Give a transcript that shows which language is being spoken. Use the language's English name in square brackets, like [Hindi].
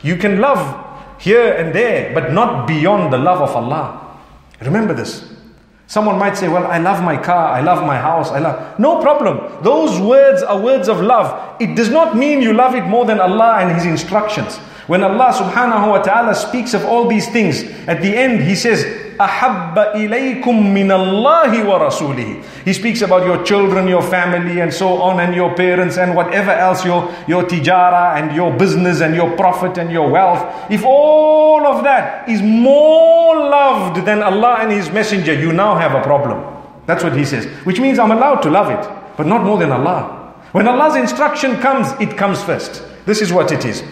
[English] You can love here and there, but not beyond the love of Allah. Remember this. Someone might say, well, I love my car, I love my house, I love... No problem. Those words are words of love. It does not mean you love it more than Allah and His instructions. When Allah subhanahu wa ta'ala speaks of all these things, at the end He says, [Arabic] أحب إليكم من الله ورسوله. [English] He speaks about your children, your family, and so on, and your parents, and whatever else, your tijara, and your business, and your profit, and your wealth. If all of that is more loved than Allah and His Messenger, you now have a problem. That's what he says. Which means I'm allowed to love it, but not more than Allah. When Allah's instruction comes, it comes first. This is what it is.